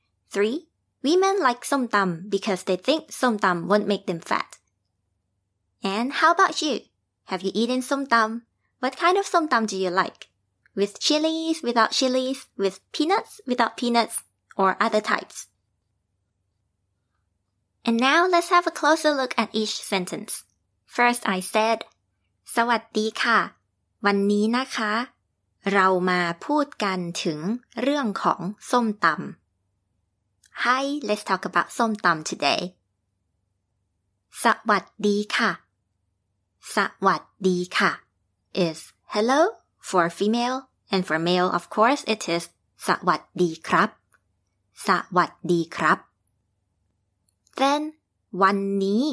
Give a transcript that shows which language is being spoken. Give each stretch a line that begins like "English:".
English: Three, women like som tam because they think som tam won't make them fat. And how about you? Have you eaten som tam? What kind of som tam do you like? With chilies, without chilies, with peanuts, without peanuts, or other types. And now let's have a closer look at each sentence. First, I said,
Thai: สวัสดีค่ะ วันนี้นะคะ เรามาพูดกันถึงเรื่องของส้มตำ
English: Hi, let's talk about ส้มตำ today.
Thai: สวัสดีค่ะ
English: สวัสดีค่ะ is hello for female and for male of course it is สวัสดีครับสวัสดีครับ then วันน